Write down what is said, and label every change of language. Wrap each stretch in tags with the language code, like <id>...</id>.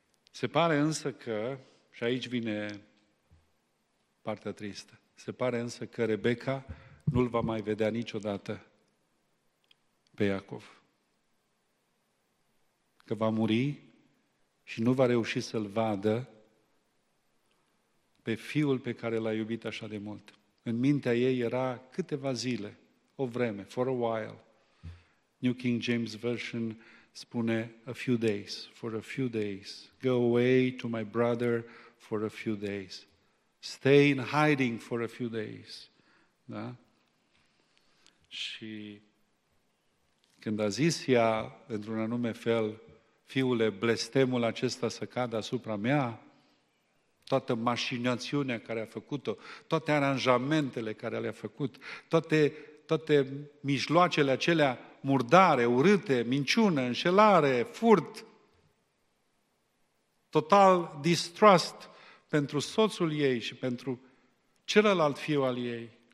<ro>Se pare însă că, și aici vine partea tristă, se pare însă că Rebeca nu-l va mai vedea niciodată pe Iacov. Că va muri și nu va reuși să-l vadă pe fiul pe care l-a iubit așa de mult. În mintea ei era câteva zile, o vreme,</ro> <en>for a while. New King James Version spune a few days, for a few days. Go away to my brother for a few days. Stay in hiding for a few days.</en> <ro>Da? Și când a zis ea, într-un anume fel, fiule, blestemul acesta să cadă asupra mea, toată mașinațiunea care a făcut-o, toate aranjamentele care le-a făcut, toate mijloacele acelea, murdare, urâte, minciună, înșelare, furt,</ro> <en>total distrust</en> <ro>pentru soțul ei și pentru celălalt fiu al ei.</ro>